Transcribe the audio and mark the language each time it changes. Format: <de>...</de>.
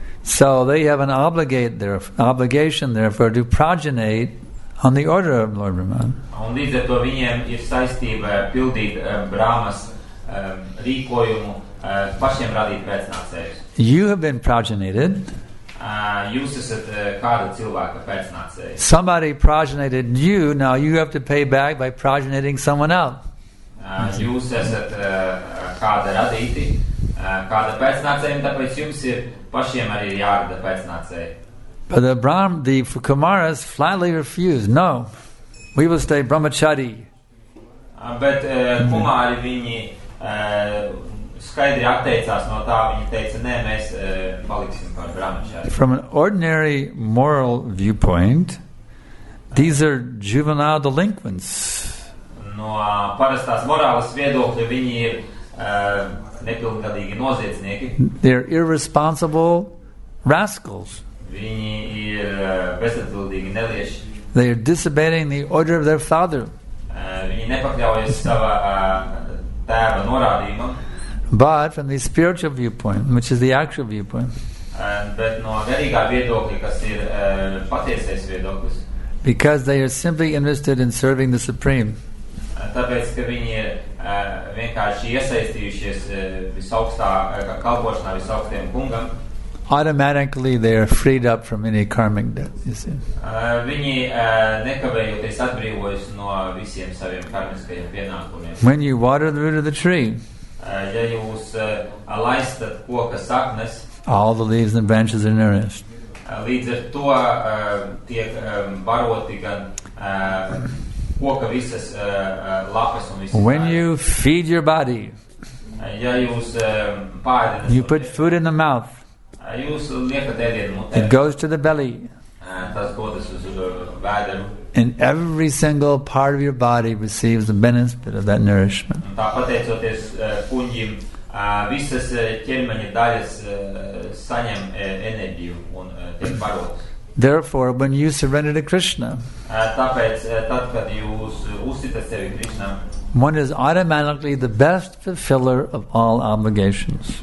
<en>So they have an obligation therefore to progenate on the order of Lord Brahma.</en> <lv>Un līdz ar to viņiem ir saistība pildīt Brahmas rīkojumu pašiem radīt pēcnācējus.</lv> <en>You have been progenated.</en> <lv>Jūs esat kāda cilvēka pēcnācējs.</lv> <en>Somebody progenated you, now you have to pay back by progenating someone else.</en> <lv>Jūs esat kāda radīti, kāda pēcnācējiem, tāpēc jums ir pašiem arī jārada pēcnācēji.</lv> <en>But the the Kumaras flatly refused. No, we will stay brahmachari.</en> <lv>Bet Kumari, viņi skaidri atteicās no tā, viņi teica, nē, mēs paliksim par brahmachari.</lv> <en>From an ordinary moral viewpoint, these are juvenile delinquents.</en> <lv>No parastās morālas viedokļa viņi ir nepilngadīgi noziedznieki.</lv> <en>They're irresponsible rascals.</en> <lv>Viņi ir bezatbildīgi nelieši.</lv> <en>They are disobeying the order of their father.</en> <lv>Viņi nepakļaujas savā tēva norādījumam.</lv> <en>But from the spiritual viewpoint, which is the actual viewpoint,</en> <lv>bet no garīgā viedokļa, kas ir patiesais viedoklis,</lv> <en>because they are simply interested in serving the Supreme.</en> <lv>Tāpēc, ka viņi ir vienkārši iesaistījušies visaugstā kalpošanā visaugstiem kungam,</lv> <en>automatically they are freed up from any karmic debt, you see.</en> <lv>Viņi nekavējoties atbrīvojas no visiem saviem karmiskajiem pienākumiem.</lv> <en>When you water the root of the tree,</en> <lv>ja jūs laistat koka saknes,</lv> <en>all the leaves and branches are nourished.</en> <lv>Līdz ar to tiek baroti gan koka visas lapas un visas.</lv> <en>When you feed your body,</en> <lv>ja jūs pārēdināt,</lv> <en>you put food in the mouth,</en> <lv>jūs liekat ēdienu mutē,</lv> <en>it goes to the belly,</en> <lv>tas godas uz vēderu.</lv> <en>And every single part of your body receives the benefit of that nourishment.</en> <lv>Tā pateicoties kuņģim, visas ķermeņa daļas saņem enerģiju un tiek barotas.</lv> <en>Therefore, when you surrender to Krishna,</en> <lv>tāpēc, tad, kad jūs uzticat sevi Krishna,</lv> <en>one is automatically the best fulfiller of all obligations.</en>